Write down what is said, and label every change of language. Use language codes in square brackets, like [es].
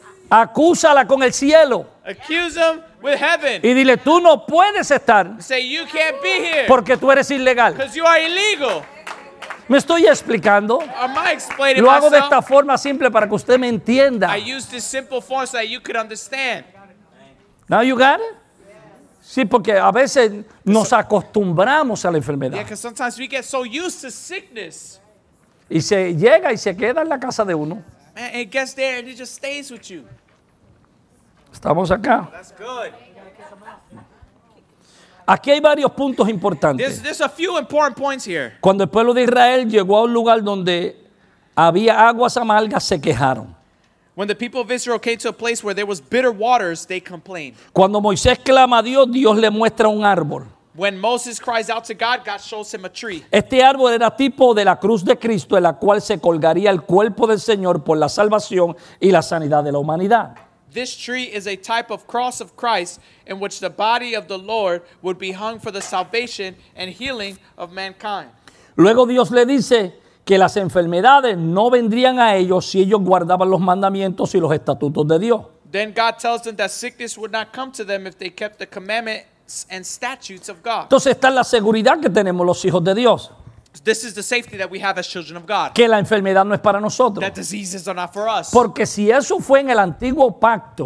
[es] Acúsala con el cielo. [en] Accuse them with heaven. [es] Y dile, tú no puedes estar. [en] Say you can't be here. [es] Porque tú eres ilegal. [en] Because you are illegal. [es] Me estoy explicando. [en] Am I explaining [es] Lo hago [en] myself? [es] De esta forma simple para que usted me entienda. [en] I use this simple form so that you could understand. Now you got it? [es] Sí, porque a veces nos acostumbramos a la enfermedad. [en] Yeah, because sometimes we get so used to sickness. [es] Y se llega y se queda en la casa de uno. [en] Man, it gets there and it just stays with you. [es] Estamos acá. [en] That's good. [es] Aquí hay varios puntos importantes. [en] There's a few important points here. [es] Cuando el pueblo de Israel llegó a un lugar donde había aguas amargas, se quejaron. [en] When the people of Israel came to a place where there was bitter waters, they complained. [es] Cuando Moisés clama a Dios, Dios le muestra un árbol. [en] When Moses cries out to God, God shows him a tree. [es] Este árbol era tipo de la cruz de Cristo, en la cual se colgaría el cuerpo del Señor por la salvación y la sanidad de la humanidad. [en] This tree is a type of cross of Christ in which the body of the Lord would be hung for the salvation and healing of mankind. [es] Luego Dios le dice que las enfermedades no vendrían a ellos si ellos guardaban los mandamientos y los estatutos de Dios. [en] Then God tells them that sickness would not come to them if they kept the commandments and statutes of God. [es] Entonces está la seguridad que tenemos los hijos de Dios. [en] This is the safety that we have as children of God. [es] Que la enfermedad no es para nosotros. [en] That diseases are not for us. [es] Porque si eso fue en el antiguo pacto.